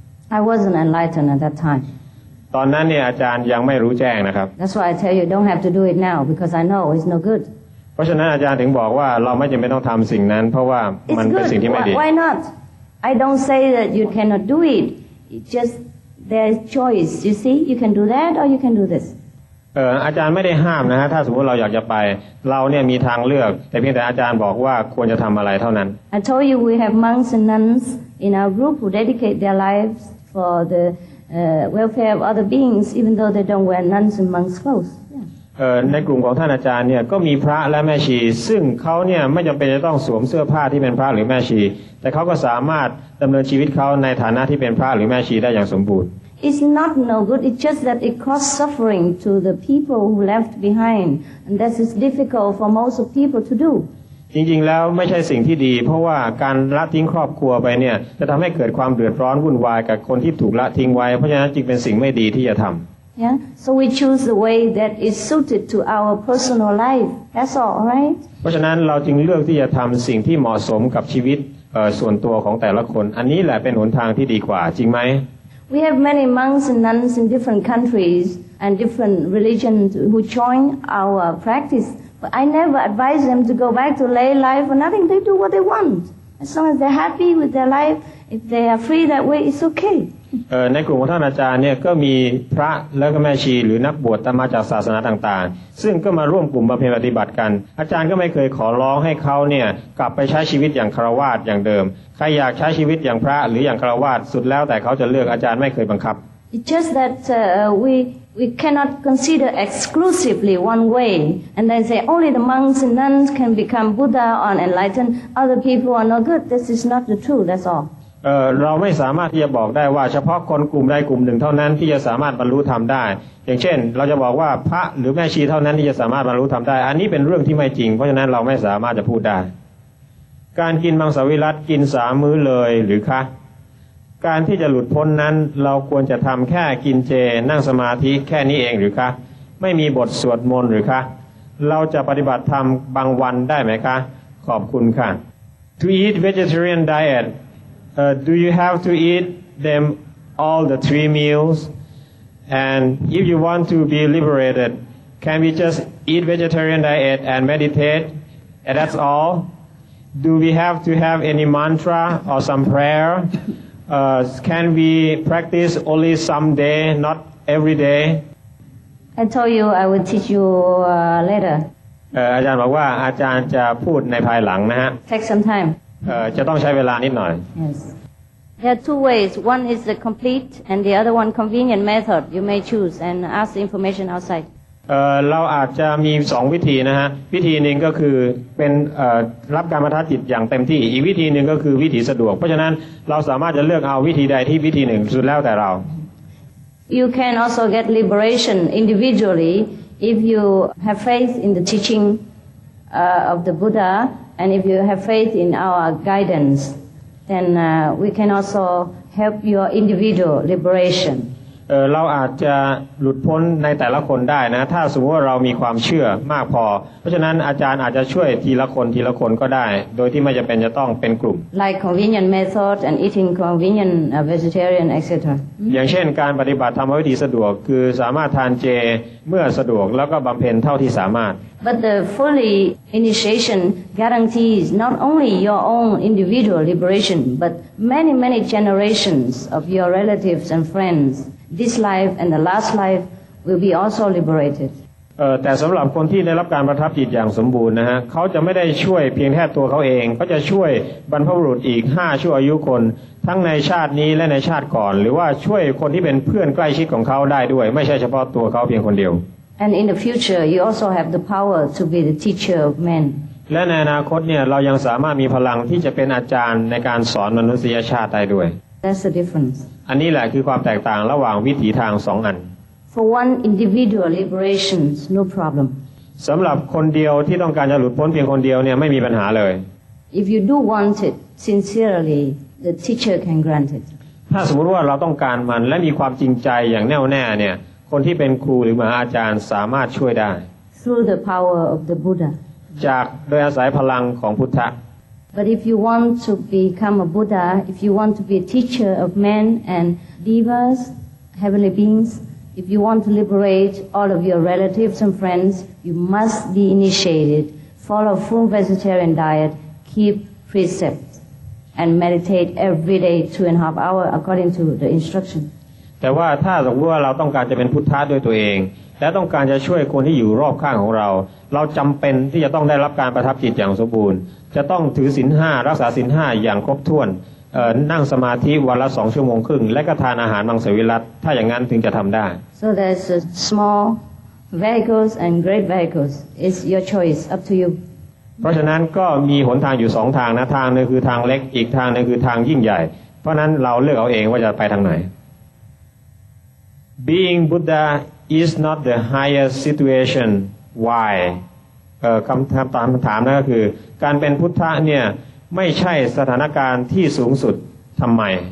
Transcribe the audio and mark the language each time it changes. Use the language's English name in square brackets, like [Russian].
[English] I wasn't enlightened at that time. [Thai] ตอนนั้นเนี่ยอาจารย์ยังไม่รู้แจ้งนะครับ [English] That's why I tell you don't have to do it now because I know it's no good. [Thai] เพราะฉะนั้นอาจารย์ถึงบอกว่าเราไม่จำเป็นต้องทำสิ่งนั้นเพราะว่ามันเป็นสิ่งที่ไม่ดี [English] Why not? I don't say that you cannot do it. It's just there's choice. You see, you can do that or you can do this. [Thai] อาจารย์ไม่ได้ห้ามนะฮะถ้าสมมติเราอยากจะไปเราเนี่ยมีทางเลือกแต่เพียงแต่อาจารย์บอกว่าควรจะทำอะไรเท่านั้น [English] I told you we have monks and nuns in our group who dedicate their lives for the welfare of other beings even though they don't wear nuns and monks clothes yeah. [Thai] ในกลุ่มของท่านอาจารย์เนี่ยก็มีพระและแม่ชีซึ่งเขาเนี่ยไม่จำเป็นจะต้องสวมเสื้อผ้าที่เป็นพระหรือแม่ชีแต่เขาก็สามารถดำเนินชีวิตเขาในฐานะที่เป็นพระหรือแม่ชีได้อย่างสมบูรณ์ [English] It's not no good. It's just that it caused suffering to the people who left behind, and that is difficult for most of people to do. [Thai] จริงๆแล้วไม่ใช่สิ่งที่ดีเพราะว่าการละทิ้งครอบครัวไปเนี่ยจะทำให้เกิดความเดือดร้อนวุ่นวายกับคนที่ถูกละทิ้งไว้เพราะฉะนั้นจึงเป็นสิ่งไม่ดีที่จะทำ [English] Yeah. So we choose the way that is suited to our personal life. That's all, right? [Thai] เพราะฉะนั้นเราจึงเลือกที่จะทำสิ่งที่เหมาะสมกับชีวิตส่วนตัวของแต่ละคนอันนี้แหละเป็นหนทางที่ดีกว่าจริงไหม [English] We have many monks and nuns in different countries and different religions who join our practice. But I never advise them to go back to lay life or nothing. They do what they want. As long as they're happy with their life, if they are free that way, it's okay. [Thai] ในกลุ่มของท่านอาจารย์เนี่ยก็มีพระแล้วก็แม่ชีหรือนักบวชที่มาจากศาสนาต่างๆซึ่งก็มาร่วมกลุ่มบำเพ็ญปฏิบัติกันอาจารย์ก็ไม่เคยขอร้องให้เขาเนี่ยกลับไปใช้ชีวิตอย่างคฤหัสถ์อย่างเดิมใครอยากใช้ชีวิตอย่างพระหรืออย่างคฤหัสถ์สุดแล้วแต่เขาจะเลือกอาจารย์ไม่เคยบังคับ [English] It's just that we cannot consider exclusively one way and then say only the monks and nuns can become Buddha or enlightened other people are no good this is not the truth that's all [Thai] เราไม่สามารถที่จะบอกได้ว่าเฉพาะคนกลุ่มใดกลุ่มหนึ่งเท่านั้นที่จะสามารถบรรลุธรรมได้อย่างเช่นเราจะบอกว่าพระหรือแม่ชีเท่านั้นที่จะสามารถบรรลุธรรมได้อันนี้เป็นเรื่องที่ไม่จริงเพราะฉะนั้นเราไม่สามารถจะพูดได้ การกินมังสวิรัติกินสามมื้อเลยหรือคะการที่จะหลุดพ้นนั้นเราควรจะทำแค่กินเจนั่งสมาธิแค่นี้เองหรือคะไม่มีบทสวดมนต์หรือคะเราจะปฏิบัติธรรมบางวันได้ไหมคะขอบคุณค่ะ [English] To eat vegetarian dietdo you have to eat them all the three meals? And if you want to be liberated, can we just eat vegetarian diet and meditate? And that's all? Do we have to have any mantra or some prayer? Can we practice only some day, not every day? I told you I will teach you later. [Thai] อาจารย์บอกว่าอาจารย์จะพูดในภายหลังนะฮะ [English] Take some time. [Thai] จะต้องใช้เวลานิดหน่อย [English] Yes. There are two ways. One is the complete and the other one convenient method. You may choose and ask the information outside. [Thai] เราอาจจะมีสองวิธีนะฮะวิธีหนึ่งก็คือเป็นรับการมัธยจิตอย่างเต็มที่อีกวิธีหนึ่งก็คือวิธีสะดวกเพราะฉะนั้นเราสามารถจะเลือกเอาวิธีใดที่วิธีหนึ่งสุดแล้วแต่เรา [English] You can also get liberation individually if you have faith in the teaching of the Buddha, and if you have faith in our guidance, then we can also help your individual liberation. [Thai] เราอาจจะหลุดพ้นในแต่ละคนได้นะถ้าสมมติว่าเรามีความเชื่อมากพอเพราะฉะนั้นอาจารย์อาจจะช่วยทีละคนทีละคนก็ได้โดยที่ไม่จำเป็นจะต้องเป็นกลุ่ม [English] like convenient method and eating convenient vegetarian etc. [Thai] อย่างเช่นการปฏิบัติธรรมวิธีสะดวกคือสามารถทานเจเมื่อสะดวกแล้วก็บำเพ็ญเท่าที่สามารถ [English] but the fully initiation guarantees not only your own individual liberation but many many generations of your relatives and friendsThis life and the last life will be also liberated. [Thai] แต่สำหรับคนที่ได้รับการประทับจิตอย่างสมบูรณ์นะฮะเขาจะไม่ได้ช่วยเพียงแค่ตัวเขาเองเขาจะช่วยบรรพบุรุษอีก5ชั่วอายุคนทั้งในชาตินี้และในชาติก่อนหรือว่าช่วยคนที่เป็นเพื่อนใกล้ชิดของเขาได้ด้วยไม่ใช่เฉพาะตัวเขาเพียงคนเดียว [English] And in the future, you also have the power to be the teacher of men. [Thai] และในอนาคตเนี่ยเรายังสามารถมีพลังที่จะเป็นอาจารย์ในการสอนมนุษยชาติได้ด้วย [English] That's the difference. [Thai] อันนี้แหละคือความแตกต่างระหว่างวิถีทางสองอัน [English] For one individual liberation, no problem. [Thai] สำหรับคนเดียวที่ต้องการจะหลุดพ้นเพียงคนเดียวเนี่ยไม่มีปัญหาเลย [English] If you do want it sincerely, the teacher can grant it. [Thai] ถ้าสมมติว่าเราต้องการมันและมีความจริงใจอย่างแน่วแน่เนี่ยคนที่เป็นครูหรือมหาอาจารย์สามารถช่วยได้ [English] Through the power of the Buddha. [Thai] จากโดยอาศัยพลังของพุทธะ [English] But if you want to become a Buddha, if you want to be a teacher of men and devas, heavenly beings, if you want to liberate all of your relatives and friends, you must be initiated, follow full vegetarian diet, keep precepts, and meditate every day 2.5 hours according to the instruction. [Thai] แต่ว่าถ้าสมมติว่าเราต้องการจะเป็นพุทธะด้วยตัวเองและต้องการจะช่วยคนที่อยู่รอบข้างของเราเราจำเป็นที่จะต้องได้รับการประทับจิตอย่างสมบูรณ์จะต้องถือศีล5รักษาศีล5อย่างครบถ้วนนั่งสมาธิวันละ2ชั่วโมงครึ่งและก็ทานอาหารมังสวิรัติถ้าอย่างนั้นถึงจะทำได้ [English] So there's a small vehicles and great vehicles it's your choice up to you [Thai] เพราะฉะนั้นก็มีหนทางอยู่2ทางนะทางนึงคือทางเล็กอีกทางนึงคือทางยิ่งใหญ่เพราะนั้นเราเลือกเอาเองว่าจะไปทางไหน [English] Being BuddhaIs not the highest situation. Why? [Thai] คำถามนะก็คือการเป็นพุทธะเนี่ยไม่ใช่สถานการณ์ที่สูงสุดทำไม